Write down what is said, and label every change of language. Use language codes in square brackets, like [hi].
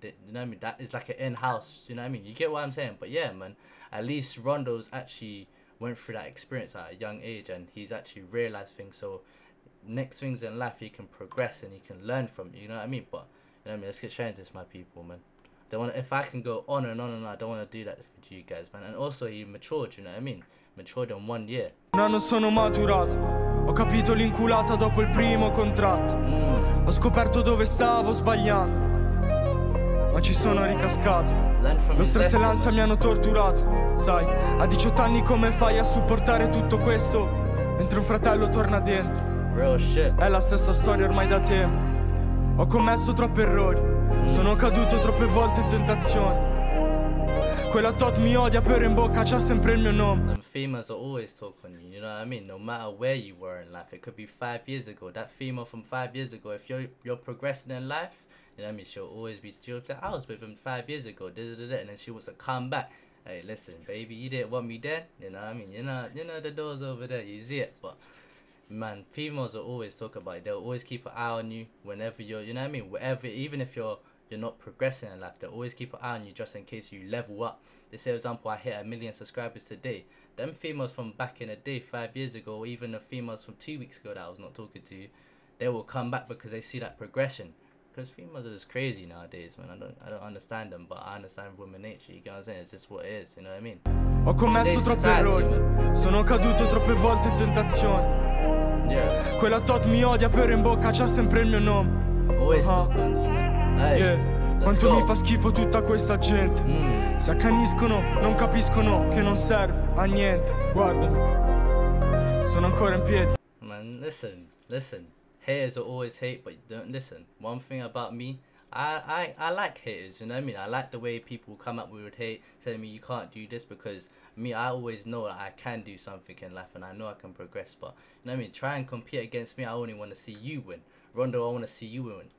[en] You know what I mean? That is like an in-house, you know what I mean? You get what I'm saying? But yeah, man, at least Rondo's actually went through that experience at a young age and he's actually realised things. So next things in life, he can progress and he can learn from, you know what I mean? But, you know what I mean? Let's get sharing this, my people, man. If I can go on and on and on, I don't want to do that to you guys, man. And also, he matured, you know what I mean? Matured in 1 year. [it] Non sono maturato. Ho capito l'inculata dopo il primo contratto. Ho scoperto dove stavo sbagliando, ma ci sono ricascato. Lo stress e l'ansia mi hanno torturato, sai. A 18 anni come fai a supportare tutto questo mentre un fratello torna dentro? [en] Real shit. [it] È la stessa storia ormai da tempo. Ho commesso troppi errori. Sono caduto troppe volte in tentazione. Quella tot mi odia però in bocca c'ha sempre il mio nome. [en] Females are always talking, you know what I mean? No matter where you were in life, it could be 5 years ago. That female from 5 years ago, if you're progressing in life, you know what I mean? She'll always be, she'll say, I was with him 5 years ago, and then she wants to come back. Hey, listen, baby, you didn't want me dead, you know what I mean? You know the door's over there, you see it. But, man, females will always talk about it. They'll always keep an eye on you whenever you're, you know what I mean? Whatever, even if you're not progressing in life, they'll always keep an eye on you just in case you level up. They say, for example, I hit 1 million subscribers today. Them females from back in the day, 5 years ago, or even the females from 2 weeks ago that I was not talking to, they will come back because they see that progression. Because females are just crazy nowadays, man. I don't understand them, but I understand women nature, you get what I'm saying? It's just what it is, you know what I mean? [it] Ho commesso troppi errori. Sono caduto troppe volte in tentazione. [en] Yeah. [it] Quella tot mi odia però in bocca c'ha sempre il mio nome. [en] Always talking. Hey. [it] Quanto mi fa schifo tutta questa gente. Si accaniscono, non capiscono che non serve a niente. Guarda, sono ancora in piedi. [en] Man, listen. Haters are always hate, but don't listen. One thing about me, I like haters, you know what I mean? I like the way people come up with hate, saying, you can't do this, because me, I always know that I can do something in life and I know I can progress. But, you know what I mean? Try and compete against me, I only want to see you win. Rondo, I want to see you win.